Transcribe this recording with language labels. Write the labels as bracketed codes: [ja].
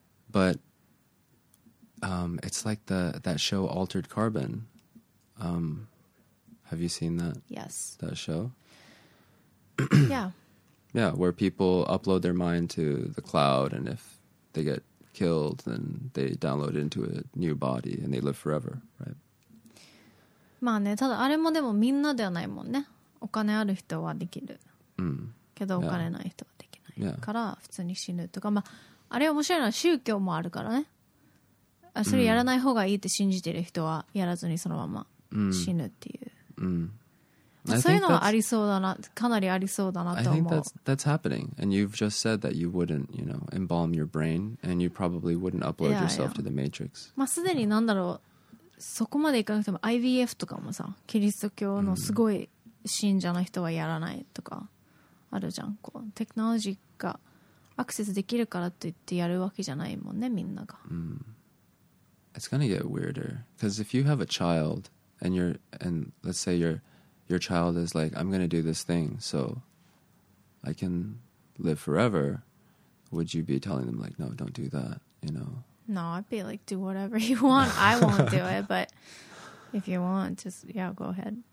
[en] But it's like that show Altered Carbon. Have you seen that? Yes. That show? Yeah. Yeah, where people upload their mind to the cloud and if they get... killed and they download into a new body and they live forever, right? [ja] まあね、ただあれもでもみんなではないもんね。お金ある人はできる。けどお金ない人はできない。から普通に死ぬとか、まああれ面白いのは宗教もあるからね。あ、それやらない方がいいって信じてる人はやらずにそのまま死ぬっていう。まあ、そういうのはありそうだな、かなりありそうだなと思う。 [en] I think that's happening. And you've just said that you wouldn't, you know, embalm your brain and you probably wouldn't upload yeah, yourself yeah. to the matrix. [ja] まあすでになんだろう、そこまでいかなくても IVF とかもさ、キリスト教のすごい信者の人はやらないとかあるじゃん。こう、テクノロジーがアクセスできるからって言ってやるわけじゃないもんね、みんなが。 [en] Mm. It's gonna get weirder. Because if you have a child and you're, and let's say your child is like, I'm gonna do this thing so I can live forever, would you be telling them like, no, don't do that, you know? No, I'd be like, do whatever you want. I won't do it, but if you want, just, yeah, go ahead.